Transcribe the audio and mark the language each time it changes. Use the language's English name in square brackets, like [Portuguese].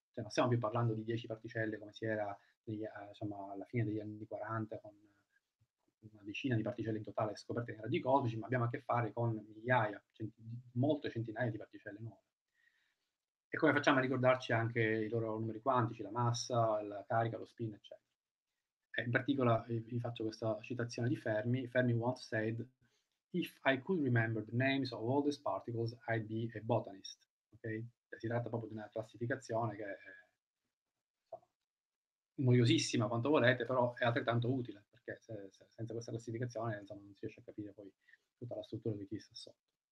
[Italian] Cioè, non stiamo più parlando di 10 particelle come si era alla fine degli anni 40, con una decina di particelle in totale scoperte in raggi cosmici, ma abbiamo a che fare con migliaia, molte centinaia di particelle nuove. E come facciamo a ricordarci anche i loro numeri quantici, la massa, la carica, lo spin, eccetera. E in particolare vi faccio questa citazione di Fermi. [English] Fermi once said, "If I could remember the names of all these particles, I'd be a botanist." Okay? [Italian] Si tratta proprio di una classificazione che è noiosissima quanto volete, però è altrettanto utile, perché se senza questa classificazione, insomma, non si riesce a capire poi tutta la struttura di chi sta sotto.